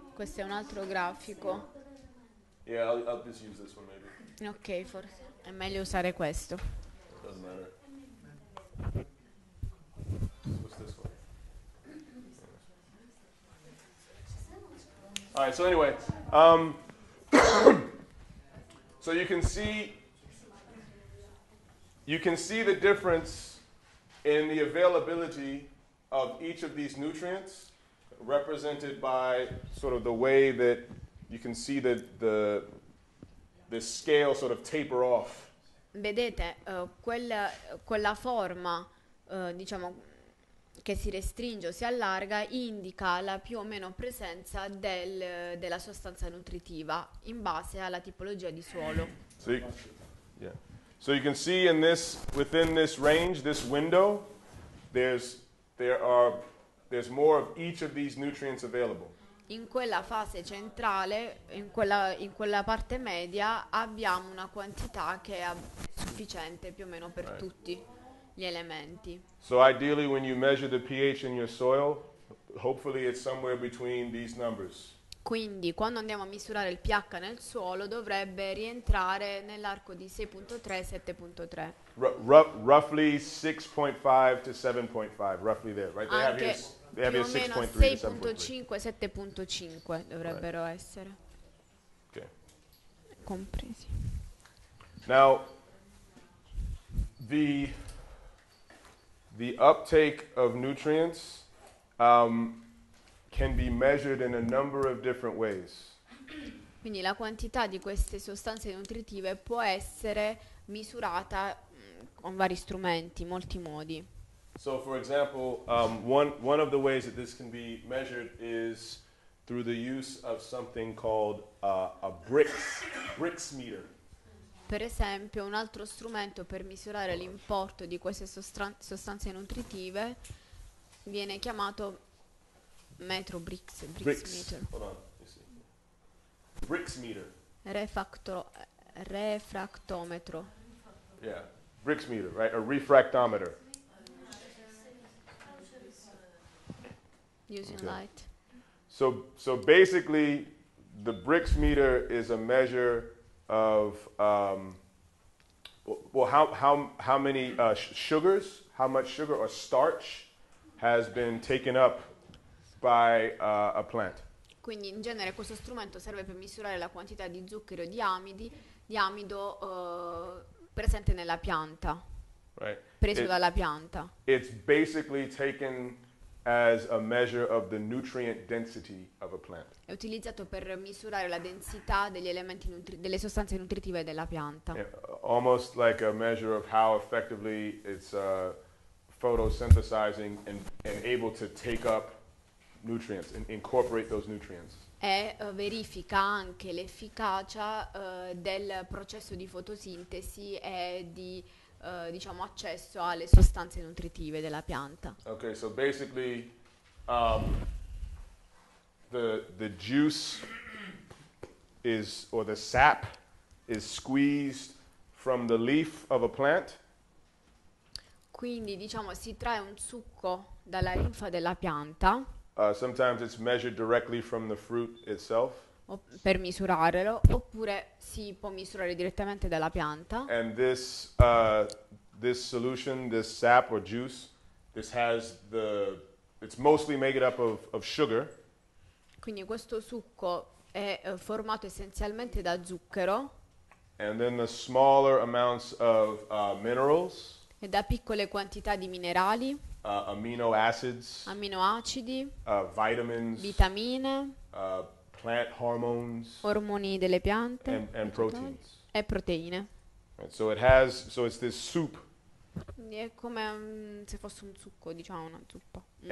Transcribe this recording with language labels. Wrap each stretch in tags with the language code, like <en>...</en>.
<it>Questo è un altro grafico.</it> <en>Yeah, I'll just use this one maybe.</en> <it>Okay, forse è meglio usare questo.</it> <en>Doesn't matter. What's this one? Yeah. All right. So anyway, so you can see the difference in the availability of each of these nutrients, represented by sort of the way that you can see that the scale sort of taper off.</en> <it>Vedete, quella forma, diciamo, che si restringe o si allarga, indica la più o meno presenza della sostanza nutritiva in base alla tipologia di suolo. Sì. Yeah.</it> <en>So you can see in this, within this range, this window, there's more of each of these nutrients available.</en> <it>In quella fase centrale, in quella parte media, abbiamo una quantità che è sufficiente più o meno per</it> <en>right.</en> <it>tutti gli elementi.</it> <en>So ideally when you measure the pH in your soil, hopefully it's somewhere between these numbers.</en> <it>Quindi quando andiamo a misurare il pH nel suolo dovrebbe rientrare nell'arco di 6.3-7.3.</it> <en>Roughly 6.5 to 7.5, roughly there, right? They have here. They have 6.5 to 7.5</en> <it>dovrebbero</it> <en>right.</en> <it>essere.</it> <en>Okay.</en> <it>Compresi.</it> <en>Now, the uptake of nutrients can be measured in a number of different ways.</en> <it>Quindi la quantità di queste sostanze nutritive può essere misurata con vari strumenti, molti modi.</it> <en>So, for example, one of the ways that this can be measured is through the use of something called a bricks meter.</en> <it>Per esempio, un altro strumento per misurare l'importo di queste sostanze nutritive viene chiamato metro bricks.</it> <en>Bricks meter. Hold on. Bricks meter.</en> <it>Refractometro.</it> <en>Yeah, bricks meter, right? A refractometer. Using okay. light. So basically, the bricks meter is a measure of how much sugar or starch has been taken up by a plant.</en> <it>Quindi in genere questo strumento serve per misurare la quantità di zucchero di amido presente nella pianta.</it> <en>Right.</en> <it>Preso dalla pianta.</it> <en>It's basically taken as a measure of the nutrient density of a plant.</en> <it>È utilizzato per misurare la densità degli elementi delle sostanze nutritive della pianta.</it> <en>Almost like a measure of how effectively it's photosynthesizing and able to take up nutrients and incorporate those nutrients.</en> <it>E verifica anche l'efficacia del processo di fotosintesi e di diciamo accesso alle sostanze nutritive della pianta.</it> <en>Okay, so basically the juice is, or the sap is squeezed from the leaf of a plant.</en> <it>Quindi diciamo si trae un succo dalla linfa della pianta.</it> <en>Sometimes it's measured directly from the fruit itself.</en> <it>Per misurarlo, oppure si può misurare direttamente dalla pianta.</it> <en>And this this solution, this sap or juice, this has the, it's mostly made up of sugar.</en> <it>Quindi questo succo è formato essenzialmente da zucchero.</it> <en>And then the smaller amounts of minerals.</en> <it>E da piccole quantità di minerali.</it> <en>Amino acids,</en> <it>aminoacidi,</it> <en>vitamins,</en> <it>vitamine,</it> <en>plant hormones,</en> <it>ormoni delle piante,</it> <en>and proteins.</en> <it>E proteine.</it> <en>Right, so it has, so it's this soup.</en> <it>È come se fosse un succo, diciamo, una zuppa.</it>